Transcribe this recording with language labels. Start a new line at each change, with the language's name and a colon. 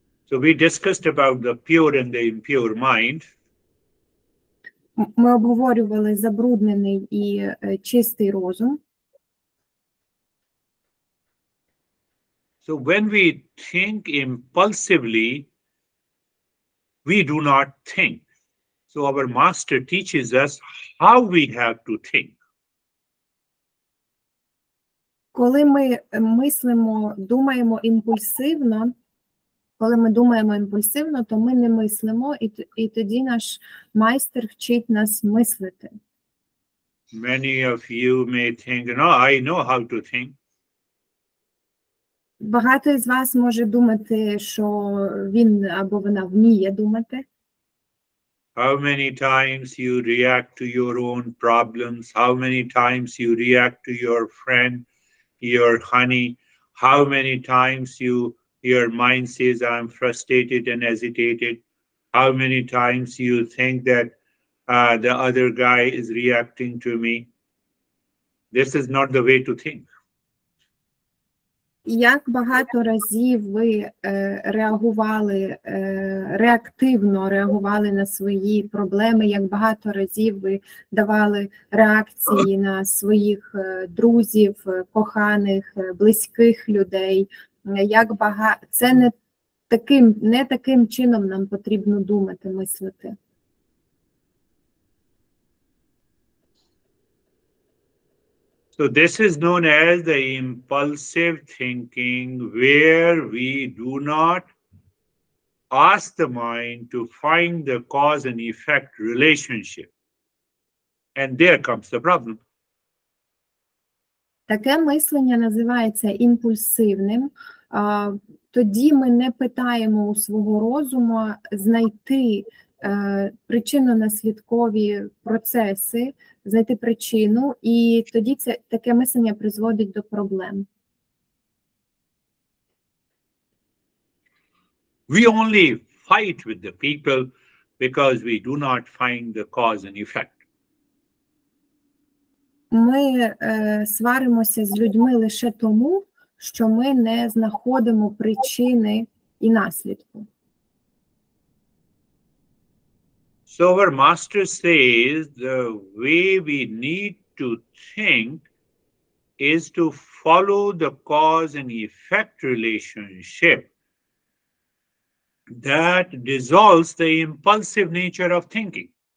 English: So we discussed about the pure and the impure mind.
Ukrainian: Ми обговорювали забруднений і чистий розум.
English: So when we think impulsively, we do not think. So our master teaches us how we have to think.
Ukrainian: Коли ми мислимо, думаємо імпульсивно, коли ми думаємо імпульсивно, то ми не мислимо, і тоді наш майстер вчить нас мислити.
English: Many of you may think, no, I know how to think.
Ukrainian: Багато із вас може думати, що він або вона вміє думати.
English: How many times you react to your own problems? How many times you react to your friend, your honey? How many times your mind says, I'm frustrated and agitated? How many times you think that the other guy is reacting to me? This is not the way to think.
Ukrainian: Як багато разів ви реагували, реактивно реагували на свої проблеми, як багато разів ви давали реакції на своїх друзів, коханих, близьких людей, як багато, це не таким чином нам потрібно думати, мислити.
English: So this is known as the impulsive thinking, where we do not ask the mind to find the cause and effect relationship. And there comes the problem.
Ukrainian: Таке мислення називається імпульсивним. Тоді ми не питаємо у свого розуму знайти причинно-наслідкові процеси, знайти причину, і тоді це таке мислення призводить до проблем.
English: We only fight with the people because we do not find the cause and effect.
Ukrainian: Ми сваримося з людьми лише тому, що ми не знаходимо причини і наслідку.
English: So our master says the way we need to think is to follow the cause and effect relationship that dissolves the impulsive nature of thinking.